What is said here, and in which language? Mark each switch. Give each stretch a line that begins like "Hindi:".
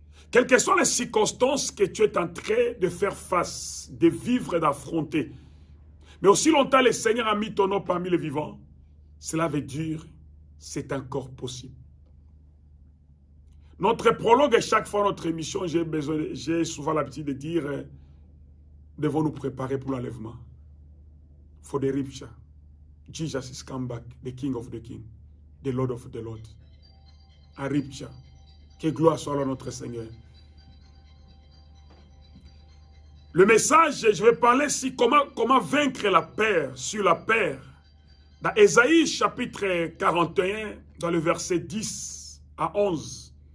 French: Quelles que soient les circonstances que tu es en train de faire face, de vivre et d'affronter, mais aussi longtemps le Seigneur a mis ton nom parmi les vivants, cela veut dire c'est encore possible. Notre prologue et chaque fois notre émission, j'ai souvent l'habitude de dire, devons nous préparer pour l'enlèvement.
English: For the rapture, Jesus is come back, the King of the King, the Lord of the Lord.
French: A rapture, que gloire soit à notre Seigneur. Le message, je vais parler ici, comment vaincre la peur sur la peur. Dans Esaïe chapitre 41, dans le verset 10 à 11.